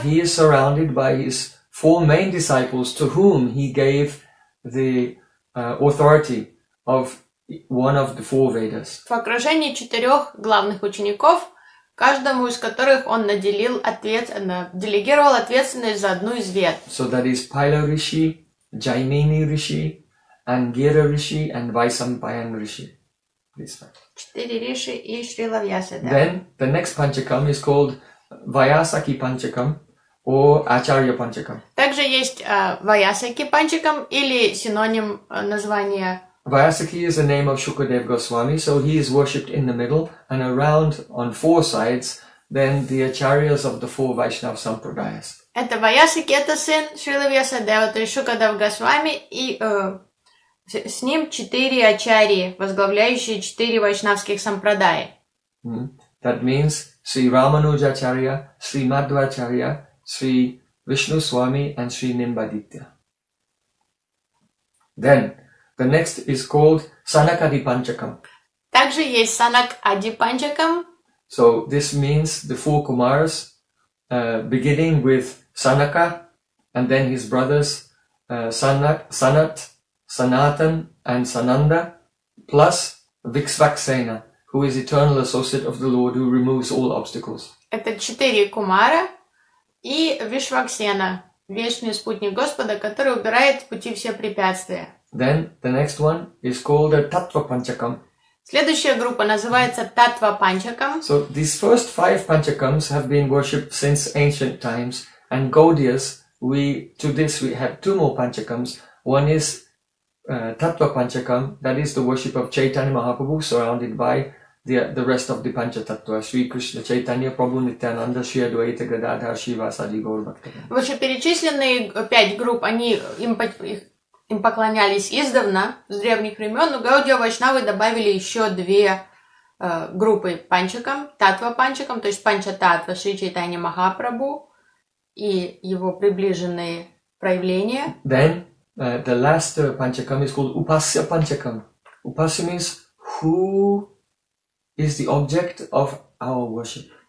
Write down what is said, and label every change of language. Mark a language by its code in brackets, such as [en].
[en] And he is surrounded by his four main disciples to whom he gave the authority of one of the four Vedas. [ru] В окружении четырех главных учеников, каждому из которых он делегировал ответственность за одну из вед. [en] So that is Paila Rishi, Jaimini Rishi, Angira Rishi, and Vaisampayan Rishi. [ru] Четыре Риши и Шрила Вьясада. [en] Then the next Panchakam is called Vyasaki Panchakam or Acharya Panchakam. [ru] Также есть Vyasaki Panchakam или синоним названия. [en] Vyasaki is the name of Shukadev Goswami, so he is worshipped in the middle, and around on four sides, then the Acharyas of the four Vaishnav Sampradayas. [ru] Это Vyasaki, это сын Шрила Вьясадева, то есть Шукадев Госвами, и с ним четыре Ачарьи, возглавляющие четыре вайшнавских сампрадаи. Mm-hmm. [en] That means Sri Ramanuja Acharya, Sri Madhva Acharya, Sri Vishnu Swami and Sri Nimbaditya. Then, the next is called Sanakadi Panchakam. [ru] Также есть Sanakadi Panchakam. [en] So, this means the four Kumaras, beginning with Sanaka, and then his brothers, Sanat, Sanatan and Sananda, plus Viksvaksena, who is eternal associate of the Lord, who removes all obstacles. [ru] Это четыре кумара и Вишваксена, вечный спутник Господа, который убирает с пути все препятствия. [en] Then the next one is called a Tattva Panchakam. [ru] Следующая группа называется Tattva Panchakam. [en] So these first five Panchakams have been worshipped since ancient times, and Gaudias, we have two more Panchakams. One is Tattva Panchakam, that is the worship of Chaitanya Mahaprabhu, surrounded by the rest of the Panchatattva, Sri Krishna, Chaitanya, Prabhu Nityananda, Sri Advaita Gadadhara, Shiva, Sadhi, Gaur Bhaktivedanta. [ru] Вышеперечисленные пять групп, они им поклонялись издавна, с древних времен, но Гаудия Вайшнавы добавили еще две группы Панчакам, Таттва Панчакам, то есть Панчататва, Шри Чайтанья Махапрабху и его приближенные проявления. [en] Then the last Panchakam is called Upasya Panchakam. Upasya means who is the object of our worship.